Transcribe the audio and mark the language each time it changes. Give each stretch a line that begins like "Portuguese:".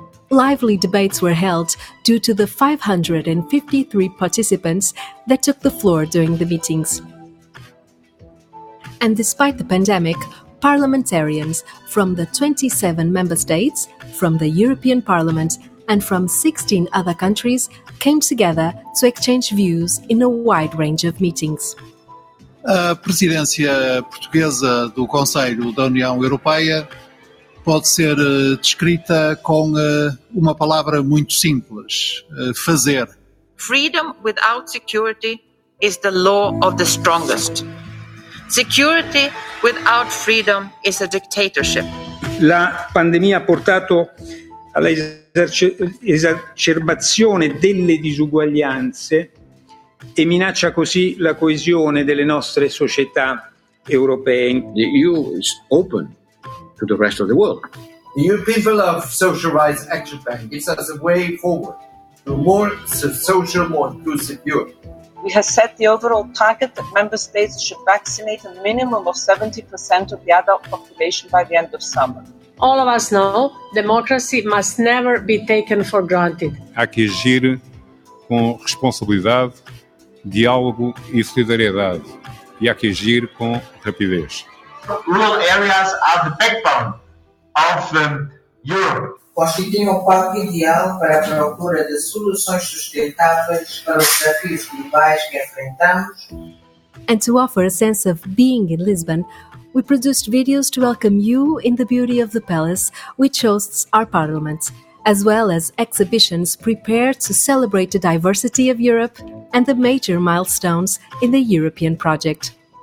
English: Lively debates were held due to the 553 participants that took the floor during the meetings. And despite the pandemic, parliamentarians from the 27 member states, from the European Parliament, and from 16 other countries came together to exchange views in a wide range of meetings.
Portuguese: A presidência portuguesa do Conselho da União Europeia pode ser descrita com uma palavra muito simples, fazer.
English: Freedom without security is the law of the strongest. Security without freedom is a dictatorship.
Italian: La pandemia ha portato all'esacerbazione delle disuguaglianze e minaccia così la coesione delle nostre società europee.
English: The EU is open to the rest of the world. The European Pillar of Social Rights Action Plan gives us a way forward to a more social, more inclusive Europe. We have set the overall target that member states should vaccinate a minimum of 70% of the adult population by the end of summer. All of us know democracy must never be taken for granted.
Portuguese: Há que agir com responsabilidade, diálogo e solidariedade. E há que agir com rapidez.
English: Rural areas are the backbone of Europe.
Portuguese: Constituem o palco ideal para a procura de soluções sustentáveis para os desafios globais que enfrentamos.
English: And to offer a sense of being in Lisbon, we produced videos to welcome you in the beauty of the palace, which hosts our parliament, as well as exhibitions prepared to celebrate the diversity of Europe and the major milestones in the European project.